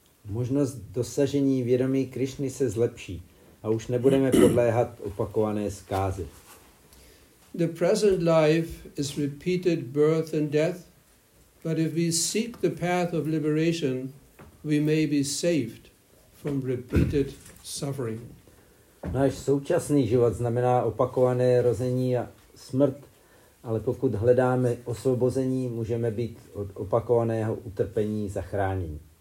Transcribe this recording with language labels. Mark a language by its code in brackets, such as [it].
[cs] Možnost dosažení vědomí Krišny se zlepší a už nebudeme podléhat opakované zkáze. [en] The present life is repeated birth and death, but if we seek the path of liberation, we may be saved from repeated suffering. [cs] Náš současný život znamená opakované rození a smrt, ale pokud hledáme osvobození, můžeme být od opakovaného utrpení zachráněni.